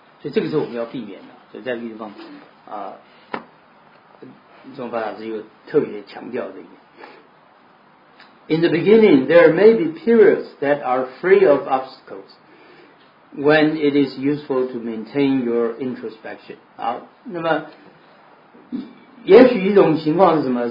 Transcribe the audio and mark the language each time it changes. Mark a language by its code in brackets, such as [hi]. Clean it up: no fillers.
[zh] 所以这个是我们要避免的。所以在这个地方啊，中法大师又特别强调这一点。 [en] In the beginning, there may be periods that are free of obstacles when it is useful to maintain your introspection. [zh] 好，那么也许一种情况是什么？